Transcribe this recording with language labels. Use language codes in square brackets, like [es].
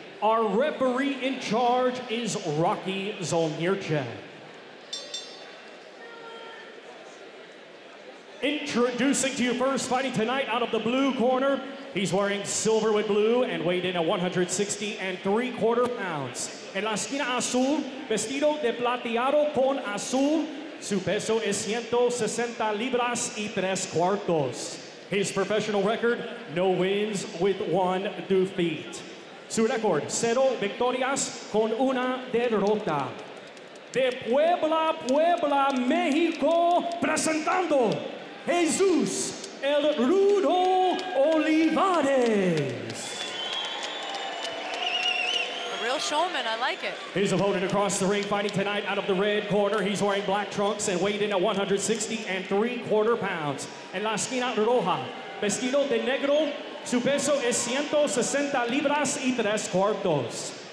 [en] Our referee in charge is Rocky Zolnierczak. Introducing to you first, fighting tonight out of the blue corner, he's wearing silver with blue and weighed in at 160 and 3 quarter pounds. [es] En la esquina azul, vestido de plateado con azul, su peso es 160 libras y 3 cuartos. [en] His professional record, no wins with 1 defeat. [es] Su record, 0 victorias con una derrota. De Puebla, Puebla, México, presentando Jesús El Rudo Olivares. [en] A real showman, I like it. His opponent across the ring fighting tonight out of the red corner. He's wearing black trunks and weighed in at 160 and 3 quarter pounds. [es] En la esquina roja, vestido de negro, su peso es 160 libras y 3 cuartos.